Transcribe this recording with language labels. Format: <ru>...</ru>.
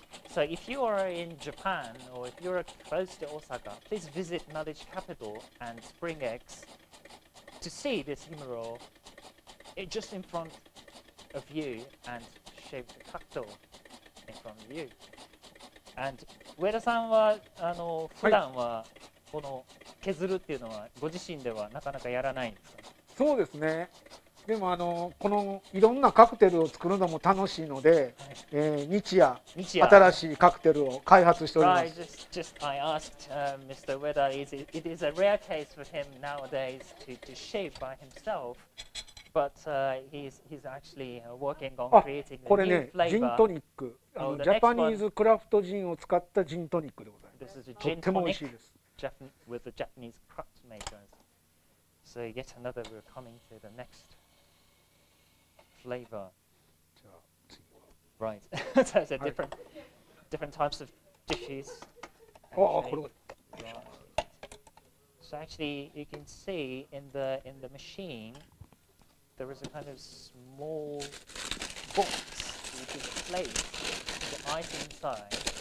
<en>So, if you are in Japan or if you're close to Osaka, please visit Knowledge Capital and Spring X to see this himuro just in front of you and shape the cocktail in front of you.</en> <ja>And 上田さんは普段はこの削るっていうのはご自身ではなかなかやらないんですか？そうですね。でもこのいろんなカクテルを作るのも楽しいので、はい、日夜新しいカクテルを開発しております。</ja> <en>Right, just I asked Mr. Ueda, it is a rare case for him nowadays to shape by himself, but he's actually working on creating a new flavor.</en> <ja>これね、ジントニック、ジャパニーズクラフトジンを使ったジントニックでございます。とっても美味しいです。</ja> <en>With the Japanese craft makers. So yet another, we're coming to the next flavor. Right. So it's a different types of dishes. So actually, you can see in the machine, there is a kind of small box you can place the ice inside.</en>